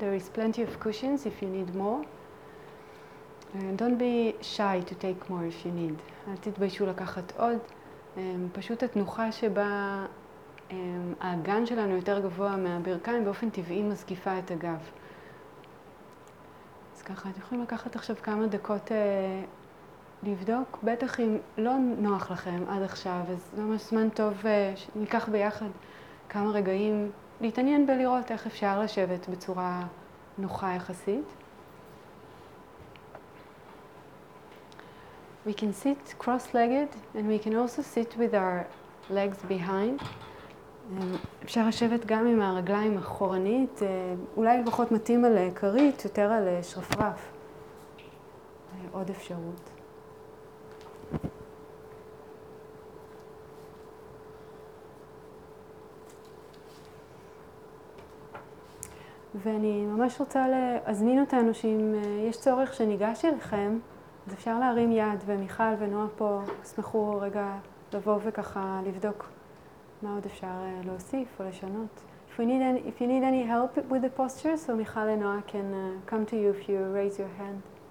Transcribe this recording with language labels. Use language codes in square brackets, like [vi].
[en] There is plenty of cushions if you need more. Don't be shy to take more if you need. [he] אל תתביישו לקחת עוד. פשוט התנוחה שבה האגן שלנו יותר גבוה מהברכיים באופן טבעי מזקיפה את הגב. אז ככה, אתם יכולים לקחת עכשיו כמה דקות לבדוק. בטח אם לא נוח לכם עד עכשיו, אז זה ממש זמן טוב שניקח ביחד כמה רגעים להתעניין ולראות איך אפשר לשבת בצורה נוחה יחסית. [en] We can sit cross-legged and we can also sit with our legs behind. [he] אפשר לשבת גם עם הרגליים אחורנית, אולי לפחות מתאים על כרית, יותר על שרפרף. עוד אפשרות. ואני ממש רוצה להזמין אותנו שאם יש צורך שניגש אליכם, אז אפשר להרים יד, ומיכל ונועה פה שמחו רגע לבוא וככה לבדוק מה עוד אפשר להוסיף או לשנות. [en] If you need any help with the posture, so מיכל ונועה can come to you if you raise your hand.